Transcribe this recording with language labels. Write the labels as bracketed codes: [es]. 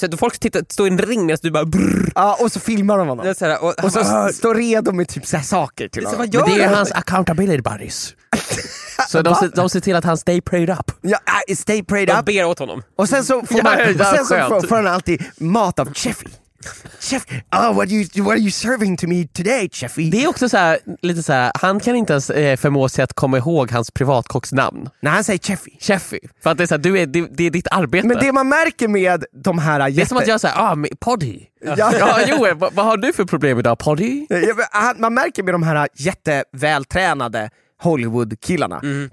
[sv] Så folk står i en ring medan du bara brrr. Ja, och så filmar de honom. Såhär, och så står redo med typ så här saker. Till så men det är hans [en] accountability buddies. [sv] Så de ser till att han [en] stay prayed up. [sv] Ja, [en] stay prayed [sv] de [en] up. [sv] De ber åt honom. Och sen så får man, ja, sen så får han alltid mat av Chefy. [en] Chef, what are you serving to me today, Chefy? [sv] Det är också så här, lite så här, han kan inte ens förmå sig att komma ihåg hans privatkocks namn. När han säger Chefy. Chefy. För att det är så här, det är ditt arbete. Men det man märker med de här jätte... Det är som att jag säger, poddy. Vad har du för problem idag, poddy? Ja, man märker med de här jättevältränade Hollywood-killarna. Mm.